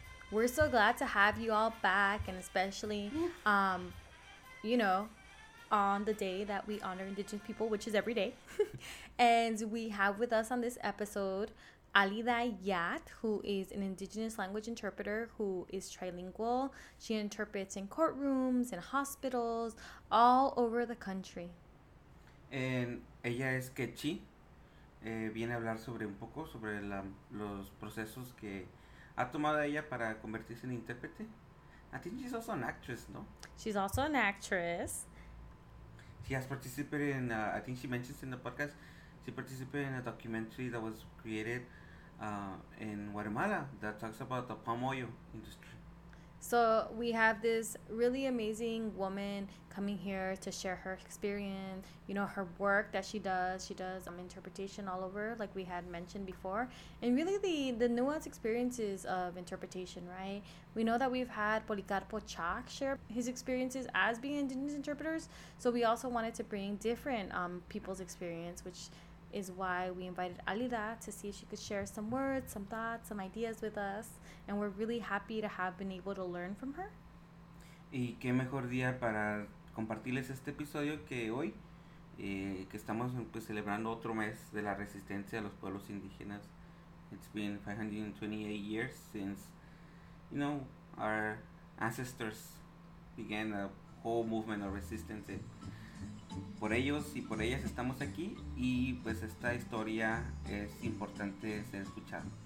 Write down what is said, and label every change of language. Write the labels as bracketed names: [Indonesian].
[English] We're so glad to have you all back, and especially, you know, on the day that we honor Indigenous people, which is every day. And we have with us on this episode Alida Yat, who is an Indigenous language interpreter who is trilingual. She interprets in courtrooms, in hospitals, all over the country. And [Spanish] ella es Quechi. Viene a hablar sobre un poco sobre la, los procesos que ha tomado ella para convertirse en intérprete. [English] I think she's also an actress, no? She's also an actress. She has participated in, I think she mentions in the podcast, she participated in a documentary that was created in Guatemala that talks about the palm oil industry. So we have this really amazing woman coming here to share her experience, you know, her work that she does. She does interpretation all over, like we had mentioned before. And really the nuanced experiences of interpretation, right? We know that we've had Policarpo Chak share his experiences as being Indigenous interpreters. So we also wanted to bring different people's experience, which is why we invited Alida to see if she could share some words, some thoughts, some ideas with us. And we're really happy to have been able to learn from her. [Spanish] Y qué mejor día para compartirles este episodio que hoy, que estamos pues, celebrando otro mes de la resistencia de los pueblos indígenas. [English] It's been 528 years since, you know, our ancestors began a whole movement of resistance. [Spanish] Por ellos y por ellas estamos aquí y pues esta historia es importante ser escuchada.